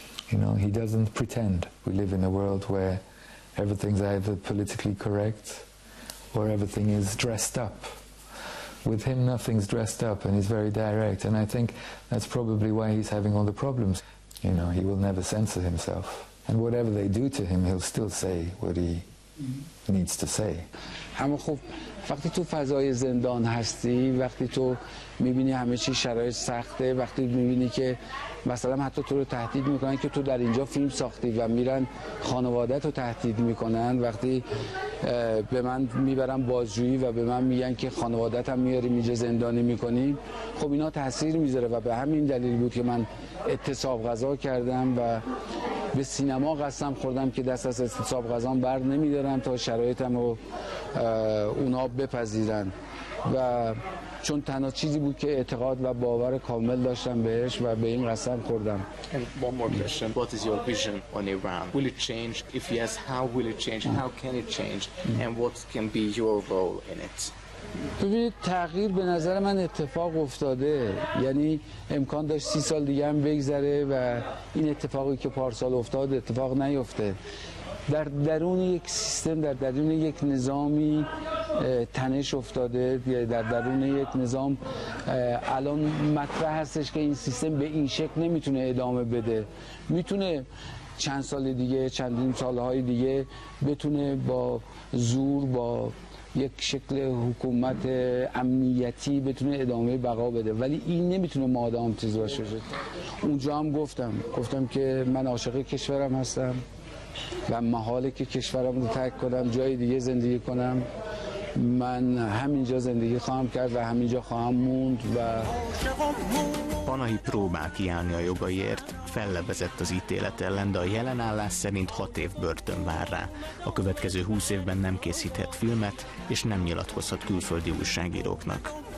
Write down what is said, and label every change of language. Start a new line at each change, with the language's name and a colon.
English: You know, he doesn't pretend. We live in a world where everything's either politically correct or everything is dressed up. With him, nothing's dressed up, and he's very direct. And I think that's probably why he's having all the problems. You know, he will never censor himself. And whatever they do to him, he'll still say what he needs to say.
Persian: اما خب وقتی تو فضای زندان هستی، وقتی تو میبینی همه چی شرایط سخته، وقتی میبینی که مثلا حتی تو رو تهدید میکنن که تو در اینجا فیلم ساختی و میرن خانوادت رو تهدید میکنن، وقتی به من میبرن بازجویی و به من میگن که خانوادت هم میاریم اینجا زندانی میکنیم، خب اینا تاثیر میذاره و به همین دلیل بود که من اعتصاب قضا کردم و به سینما قسم خوردم که دست از اعتصاب قضا بر نمیدارم تا شرایطم رو اونا بپذیرن. و چون تنها چیزی بود که اعتقاد و باور کامل داشتم بهش و به این قسم خوردم. One more question. What is your vision on Iran? Will it change? If yes, how will it change? How can it change? And what can be your role in it? ببینید، تغییر به نظر من اتفاق افتاده، یعنی امکان داشت 30 سال دیگه هم بگذره و این اتفاقی که پارسال افتاد اتفاق نیفته. در درون یک سیستم، در درون یک نظامی تنش افتاده، در درون یک نظام الان مطرح هستش که این سیستم به این شکل نمیتونه ادامه بده. میتونه چند سال دیگه، چندین سالهای دیگه بتونه با زور، با یک شکل حکومت امنیتی بتونه ادامه بقا بده، ولی این نمیتونه مادام چیز باشه. اونجا هم گفتم که من عاشق کشورم هستم و محاله که کشورم رو ترک کنم، جای دیگه زندگی کنم. من همینجا زندگی خواهم کرد و همینجا خواهم موند. و
Hungarian: Panahi próbál kiállni a jogaiért, fellebezett az ítélet ellen, de a jelen állás szerint 6 év börtön vár rá. A következő 20 évben nem készíthet filmet, és nem nyilatkozhat külföldi újságíróknak.